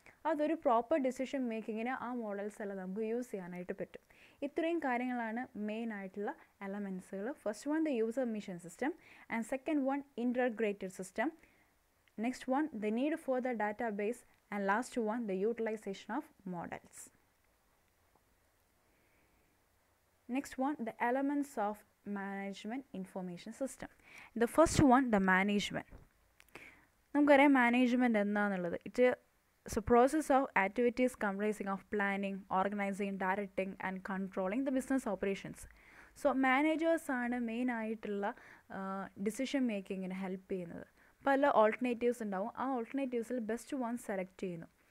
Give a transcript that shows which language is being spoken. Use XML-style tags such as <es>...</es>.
<ml>അതൊരു proper decision മേക്കിങ്ങിന് ആ models എല്ലാം നമുക്ക് യൂസ് ചെയ്യാനായിട്ട് പറ്റും. ഇത്രയും കാര്യങ്ങളാണ് മെയിൻ ആയിട്ടുള്ള എലമെൻസുകൾ.</ml> <en>First one, the user machine system, and second one, integrated system. Next one, the need for the data base. And last one, the utilization of models. Next one, the elements of management information system. The first one, the management.</en> <ml>നമുക്കറിയാം management എന്താണെന്നുള്ളത്.</ml> <en>It is a process of activities comprising of planning organizing directing and controlling the business operations.</en> <ml>So മാനേജേഴ്സാണ് മെയിനായിട്ടുള്ള decision മേക്കിങ്ങിന് help ചെയ്യുന്നത്. പല alternatives ഉണ്ടാവും, ആ ഓൾട്ടർനേറ്റീവ്സിൽ best one select ചെയ്യുന്നു.</ml>